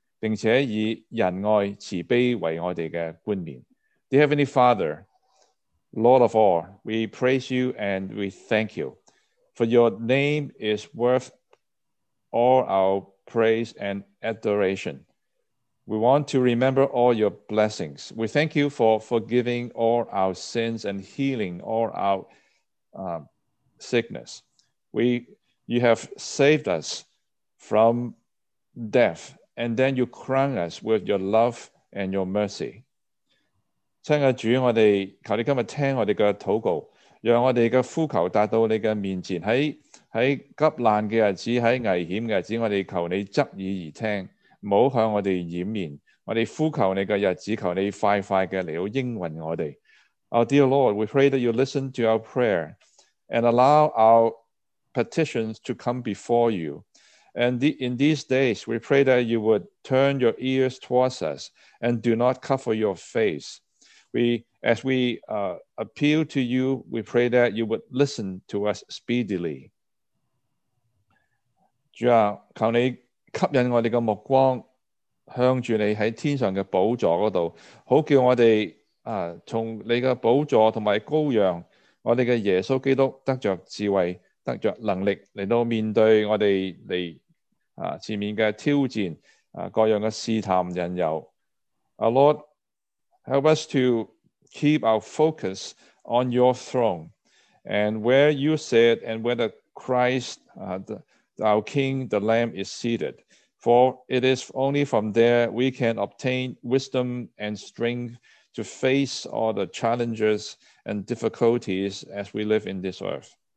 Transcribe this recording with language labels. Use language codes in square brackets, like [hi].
[zh] 并且以仁爱慈悲为我们的冠冕。 [en] Dear Heavenly Father, Lord of all, we praise you and we thank you, for your name is worth all our praise and adoration. We want to remember all your blessings. We thank you for forgiving all our sins and healing all our sickness. You have saved us from death. And then you crown us with your love and your mercy. [zh] 亲爱主，我们求你今天听我们的祷告，让我们的呼求达到你的面前。在急难的日子，在危险的日子，我们求你侧耳而听，不要向我们掩面。我们呼求你的日子，求你快快的来应允我们。 [en] Our dear Lord, we pray that you listen to our prayer and allow our petitions to come before you. And in these days, we pray that you would turn your ears towards us and do not cover your face. As we appeal to you, we pray that you would listen to us speedily. [zh] 主啊，求你吸引我们的目光向着你在天上的宝座那里，好叫我们从你的宝座和羔羊，我们的耶稣基督得着智慧，得着能力，来到面对我们来前面的挑战，各样的试探引诱。 [en] Our Lord, help us to keep our focus on your throne and where you sit and where the Christ, our King, the Lamb is seated. For it is only from there we can obtain wisdom and strength to face all the challenges and difficulties as we live in this earth.